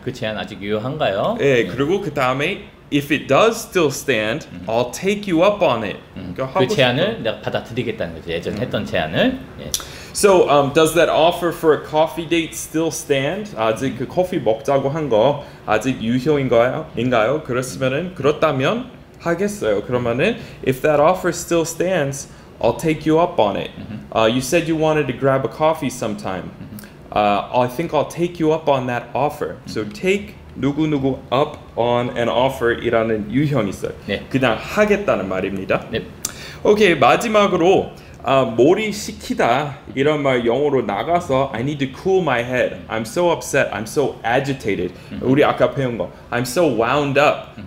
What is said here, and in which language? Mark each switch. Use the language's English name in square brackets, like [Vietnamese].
[Korean] 그 제안 아직 유효한가요? 예, 그리고 그 다음에 [English] if it does still stand, I'll take you up on it. [Korean] 그 제안을 싶어. 내가 받아들이겠다는 거죠. 예전에 했던 제안을. 예. [English] So does that offer for a coffee date still stand? [Korean] 아직 그 커피 먹자고 한 거 아직 유효인가요? 인가요? 그렇으면은 그렇다면 하겠어요. 그러면은 [English] if that offer still stands, I'll take you up on it. You said you wanted to grab a coffee sometime. I think I'll take you up on that offer. So take [Korean] 누구 누구 [English] up on an offer [Korean] 이라는 유형이 있어요. 네. 그냥 하겠다는 말입니다. 네. 오케이 마지막으로. 머리 식히다 이런 말 영어로 나가서 [English] I need to cool my head. I'm so upset. I'm so agitated. [Korean] 우리 아까 배운 거 [English] I'm so wound up.